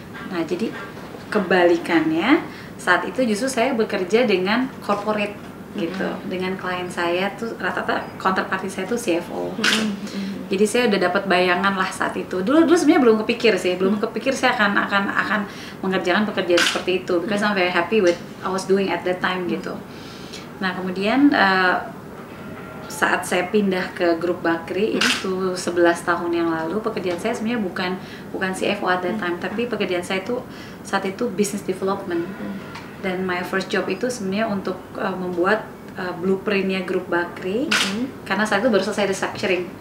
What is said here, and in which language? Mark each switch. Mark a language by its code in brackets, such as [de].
[id] Nah, jadi kebalikannya saat itu justru saya bekerja dengan corporate gitu. Dengan klien saya tuh rata-rata counterparty saya tuh CFO. Jadi saya udah dapat bayangan lah saat itu. Dulu sebenarnya belum kepikir sih, belum kepikir saya akan mengerjakan pekerjaan seperti itu. [en] Because I'm very happy with I was doing at that time gitu. [id] Nah, kemudian saat saya pindah ke grup Bakri itu 11 tahun yang lalu, pekerjaan saya sebenarnya bukan CFO [en] at that time, [id] tapi pekerjaan saya itu saat itu business development. Dan [en] my first job [id] itu sebenarnya untuk membuat blueprintnya grup Bakri, karena saat itu baru selesai restructuring.